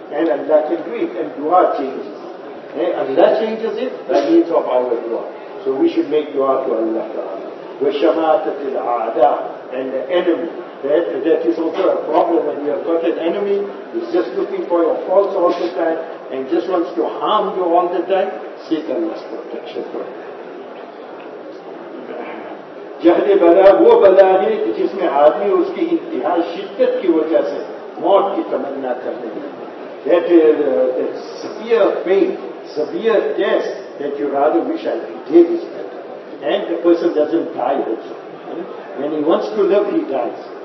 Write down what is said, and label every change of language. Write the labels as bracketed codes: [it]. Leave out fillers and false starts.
[en] And Allah can do it, and dua changes. Allah changes it by means of our dua. So we should make dua to Allah Ta'ala. [ar] وَشَمَاتَتِ الْعَادَىٰ, [en] and the enemy. That is also a problem. When you have got an enemy who's just looking for your faults all the time and just wants to harm you all the time, Satan has protection for you. [ur] جہل بلا وہ بلا ہے جس میں آدمی اس کی انتہا شدت کی وجہ سے موت کی تمنا کرنے لگے. [en] That severe pain, severe death that you rather wish I'd be dead is better. And the person doesn't die also. When he wants to live, he dies.